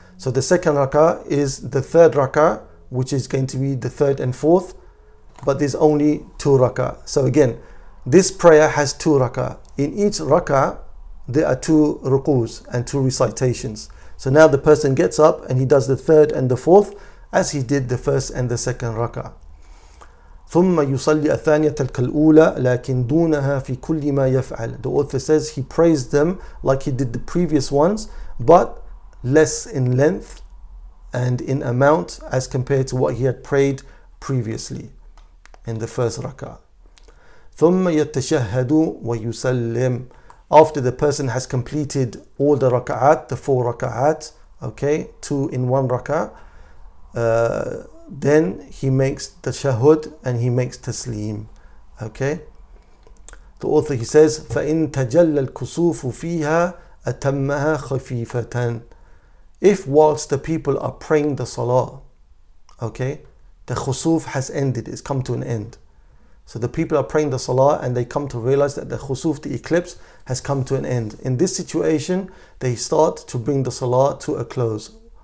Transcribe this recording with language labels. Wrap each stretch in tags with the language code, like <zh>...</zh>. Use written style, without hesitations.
<en>So the second raka'ah is the third raka'ah, which is going to be the third and fourth, but there's only two rak'ah. So again, this prayer has two rak'ah. In each rak'ah, there are two ruku's and two recitations. So now the person gets up and he does the third and the fourth as he did the first and the second rak'ah.</en> <ar>ثم يصلي الثانية تلك الأولى لكن دونها في كل ما يفعل.</ar> <en>The author says he prays them like he did the previous ones, but less in length and in amount as compared to what he had prayed previously in the first rak'ah.</en> <ar>ثم يتشهد ويسلم.</ar> <en>After the person has completed all the rak'ahat, the four rak'ahat, okay, two in one rak'ah, then he makes the shahud and he makes taslim. Okay. The author, he says,</en> <ar>فَإِن تَجَلَّ الْكُسُوفُ فِيهَا أَتَمَّهَا خَفِيفَةً.</ar> <en>If whilst the people are praying the salah, okay, the khusuf has ended, it's come to an end. So the people are praying the salah and they come to realize that the khusuf, the eclipse, has come to an end. In this situation, they start to bring the salah to a close.</en>